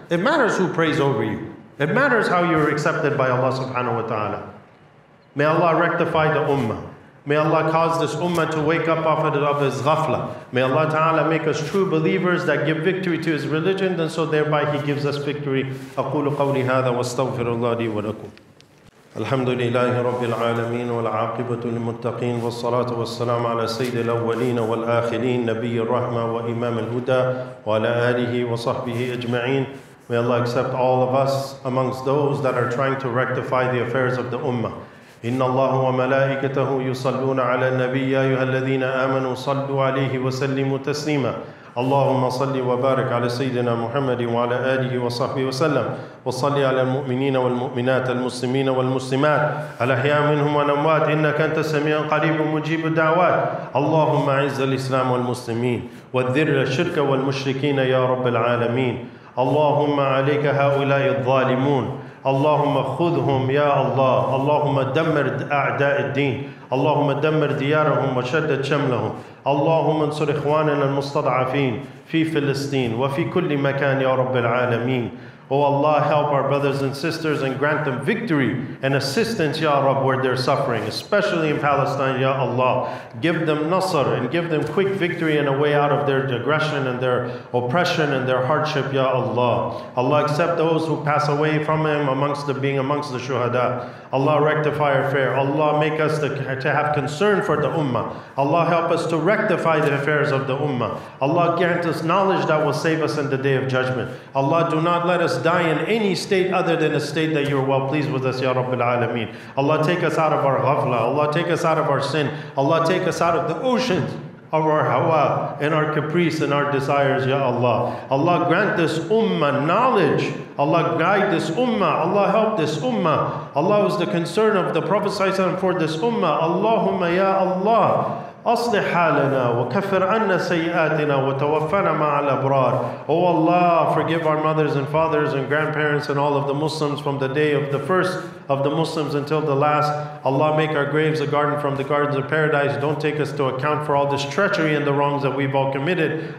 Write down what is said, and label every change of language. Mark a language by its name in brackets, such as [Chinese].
[English] It matters who prays over you. It matters how you're accepted by Allah subhanahu wa ta'ala. May Allah rectify the ummah. May Allah cause this ummah to wake up off of his ghafla. May Allah Ta'ala make us true believers that give victory to his religion, and so thereby he gives us victory. [Arabic] أَقُولُ قَوْلِ هَذَا وَاسْتَغْفِرُ اللَّهَ لِي وَلَكُمْ الحمد لله رب العالمين والعاقبة للمتقين والصلاة والسلام على سيد الأولين والآخرين نبي الرحمة وإمام الهدى وعلى آله وصحبه أجمعين. [English] May Allah accept all of us amongst those that are trying to rectify the affairs of the ummah. [Arabic] إِنَّ اللَّهُ وَمَلَائِكَتَهُ يُصَلُّونَ عَلَى النَّبِيِّ يَا أَيُّهَا الَّذِينَ آمَنُوا صَلُّوا عَلَيْهِ وَسَلِّمُوا تَسْلِيمًا. اللهم صل وبارك على سيدنا محمد وعلى آله وصحبه وسلم، وصل على المؤمنين والمؤمنات المسلمين والمسلمات الأحياء منهم والأموات، إنك أنت سميع قريب مجيب الدعوات. اللهم أعز الإسلام والمسلمين، وذر الشرك والمشركين يا رب العالمين. اللهم عليك هؤلاء الظالمون، اللهم خذهم يا الله، اللهم دمر أعداء الدين، اللهم دمر ديارهم وشدد شملهم، اللهم انصر إخواننا المستضعفين في فلسطين وفي كل مكان يا رب العالمين. [English] Oh Allah, help our brothers and sisters and grant them victory and assistance, Ya Rab, where they're suffering, especially in Palestine, Ya Allah. Give them nasr and give them quick victory and a way out of their aggression and their oppression and their hardship, Ya Allah. Allah, accept those who pass away from Him amongst the shuhada. Allah, rectify our affair. Allah, make us to have concern for the ummah. Allah, help us to rectify the affairs of the ummah. Allah, grant us knowledge that will save us in the day of judgment. Allah, do not let us die in any state other than a state that you are well pleased with us, Ya Rabbil Alameen. Allah, take us out of our ghafla. Allah, take us out of our sin. Allah, take us out of the oceans of our hawa and our caprice and our desires, Ya Allah. Allah, grant this ummah knowledge. Allah, guide this ummah. Allah, help this ummah. Allah is the concern of the Prophet ﷺ for this ummah. [Arabic] Allahumma Ya Allah, أصلح حالنا وكفر عنا سيئاتنا وتوفنا مع الأبرار. [English] Oh Allah, forgive our mothers and fathers and grandparents and all of the Muslims from the day of the first of the Muslims until the last. Allah, make our graves a garden from the gardens of paradise. Don't take us to account for all this treachery and the wrongs that we've all committed.